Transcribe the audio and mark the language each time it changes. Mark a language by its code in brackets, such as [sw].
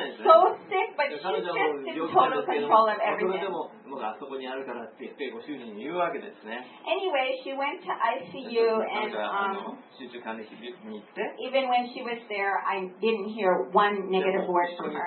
[en] So sick, but she's just in total control of everything. [ja] あそこにあるからって言ってご主人に言うわけですね。 [en] Anyway, she went to ICU and [ja] 集中管理室に行って、 [en] even when she was there, I didn't hear one negative word from her.